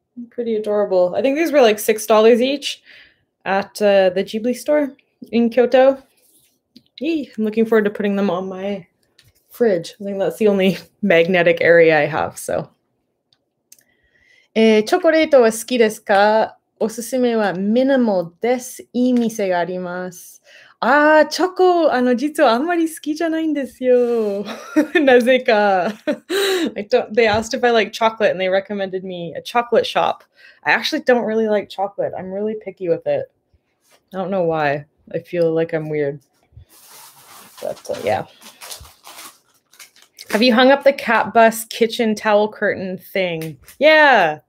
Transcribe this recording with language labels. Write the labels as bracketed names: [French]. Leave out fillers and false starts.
[English] Pretty adorable. I think these were like $6 each at the Ghibli store in Kyoto. Yee, I'm looking forward to putting them on my fridge. I think that's the only magnetic area I have, so. [Japanese] チョコレートは好きですか?おすすめはミニマルです。いい店があります。ああ、チョコ、実はあんまり好きじゃないんですよ。なぜか。 [English] They asked if I like chocolate and they recommended me a chocolate shop. I actually don't really like chocolate. I'm really picky with it. I don't know why. I feel like I'm weird. But yeah. Have you hung up the cat bus kitchen towel curtain thing? Yeah.